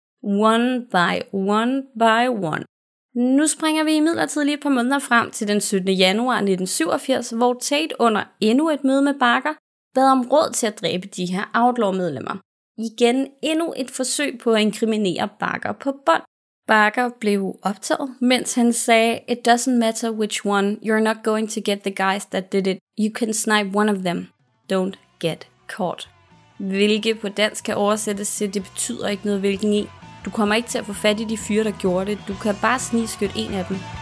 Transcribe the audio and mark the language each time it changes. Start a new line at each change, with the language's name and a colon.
English: One by one by one.
Danish: Nu springer vi imidlertid lige et par måneder frem til den 17. januar 1987, hvor Tate under endnu et møde med Barker bad om råd til at dræbe de her Outlaw-medlemmer. Igen endnu et forsøg på at inkriminere Barker på bånd. Barker blev optaget, mens han sagde,
English: "It doesn't matter which one, you're not going to get the guys that did it. You can snipe one of them. Don't get caught."
Danish: Hvilket på dansk kan oversættes til, det betyder ikke noget hvilken en. Du kommer ikke til at få fat i de fyre, der gjorde det. Du kan bare snigskytte en af dem.